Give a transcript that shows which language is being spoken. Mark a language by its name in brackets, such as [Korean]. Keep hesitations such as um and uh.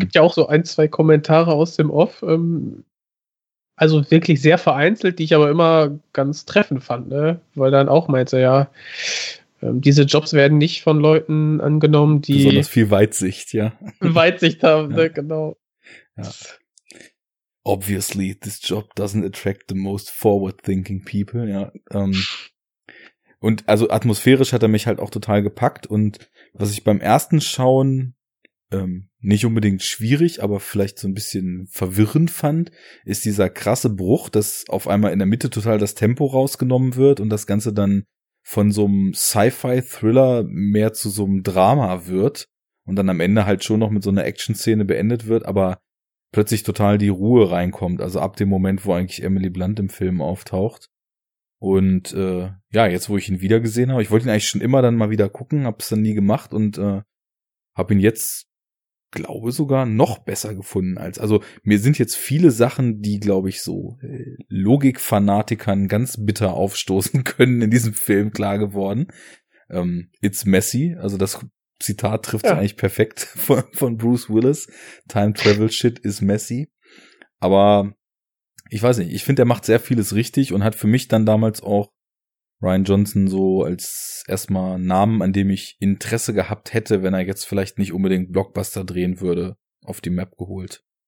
[German] gibt ja auch so ein, zwei Kommentare aus dem Off, ähm, also wirklich sehr vereinzelt, die ich aber immer ganz treffend fand, ne? Weil dann auch meinte, ja, ähm, diese Jobs werden nicht von Leuten angenommen, die besonders viel Weitsicht, ja. Weitsicht haben, Ja. ne? Genau. Ja. [English] obviously this job doesn't attract the most forward thinking people, ja. [German] Ähm, und also atmosphärisch hat er mich halt auch total gepackt und was ich beim ersten Schauen ähm, nicht unbedingt schwierig, aber vielleicht so ein bisschen verwirrend fand, ist dieser krasse Bruch, dass auf einmal in der Mitte total das Tempo rausgenommen wird und das Ganze dann von so einem Sci-Fi-Thriller mehr zu so einem Drama wird und dann am Ende halt schon noch mit so einer Action-Szene beendet wird, aber plötzlich total die Ruhe reinkommt. Also ab dem Moment, wo eigentlich Emily Blunt im Film auftaucht. Und äh, ja, jetzt wo ich ihn wieder gesehen habe, ich wollte ihn eigentlich schon immer dann mal wieder gucken, hab's dann nie gemacht und äh, habe ihn jetzt, glaube sogar noch besser gefunden als. Also mir sind jetzt viele Sachen, die glaube ich so äh, Logikfanatikern ganz bitter aufstoßen können, in diesem Film klar geworden. Ähm, [English] It's messy, [German] also das Zitat trifft Ja. eigentlich perfekt von, von Bruce Willis. [English] Time Travel Shit is messy. [German] Aber ich weiß nicht, ich finde, er macht sehr vieles richtig und hat für mich dann damals auch Ryan Johnson so als erstmal Namen, an dem ich Interesse gehabt hätte, wenn er jetzt vielleicht nicht unbedingt Blockbuster drehen würde, auf die Map geholt.